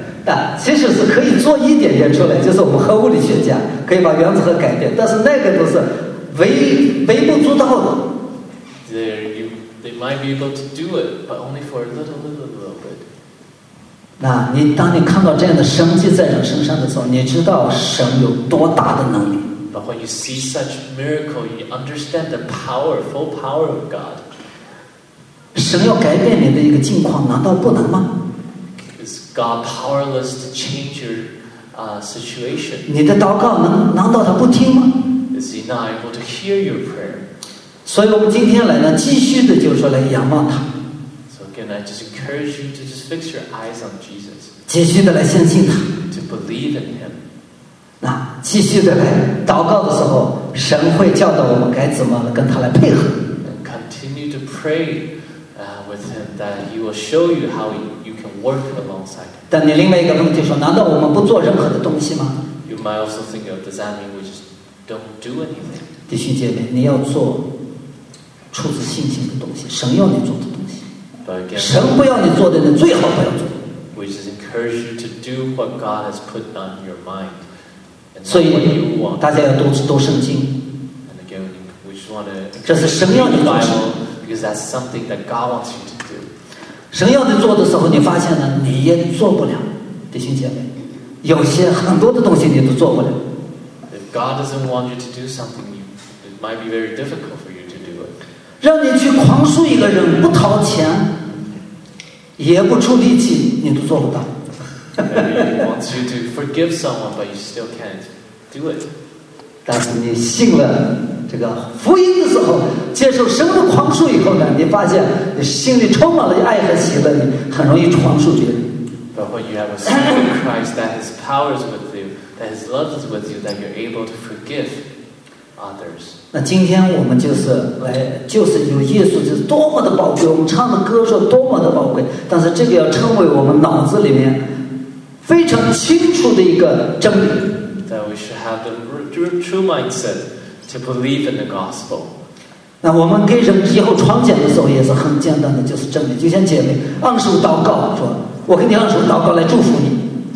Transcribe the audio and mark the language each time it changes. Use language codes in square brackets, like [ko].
[zh] 但其实是可以做一点点出来，就是我们核物理学家可以把原子核改变，但是那个都是。微不足道的。 [en] They might be able to do it, but only for a little bit. [zh] 那你当你看到这样的神迹在人身上的时候，你知道神有多大的能力。 [en] But when you see such miracle, you understand the power, full power of God. [zh] 神要改变你的一个境况，难道不能吗 [en] ？Is God powerless to change your situation? [zh] 你的祷告难道他不听吗？ [en] Is he not able to hear your prayer? [zh] 所以我们今天来呢，继续的就是说来仰望他。 [en] So again, I just encourage you to just fix your eyes on Jesus. [zh] 继续的来相信他。 [en] To believe in him. [zh] 那继续的来祷告的时候，神会教导我们该怎么跟他来配合。 [en] And continue to pray with him that he will show you how you can work alongside him. [zh] 但你另外一个问题说，难道我们不做任何的东西吗 [en] ？You might also think of does that mean we just Don't do anything. [zh] 弟兄姐妹，你要做出自信心的东西，神要你做的东西。神不要你做的，你最好不要做。 [en] Which is encourage you to do what God has put on your mind. [zh] 所以大家要读圣经。 [en] And again, we just want to. [zh] 这是神要你做的。 [en] Because that's something that God wants you to do. [zh] 神要你做的时候，你发现呢，你也做不了，弟兄姐妹，有些很多的东西你都做不了。 [en] If God doesn't want you to do something, it might be very difficult for you to do it. [zh] 让你去狂恕一个人，不掏钱，也不出力气，你都做不到。 [en] Maybe he wants you to forgive someone, but you still can't do it. [zh] 但是你信了。这个福音的时候，接受神的宽恕以后呢，你发现你心里充满了爱和喜乐，你很容易宽恕别人。 [en] But when you have a spirit of Christ, that His power is with you, that His love is with you, that you're able to forgive others. [zh] 那今天我们就是来，就是有耶稣，就是多么的宝贵。我们唱的歌说多么的宝贵，但是这个要成为我们脑子里面非常清楚的一个真理。 [en] That we should have the true mindset. To believe in the gospel. [zh] 那我们给人以后传讲的时候也是很简单的，就是真理。就像姐妹按手祷告，说：“我给你按手祷告来祝福你。”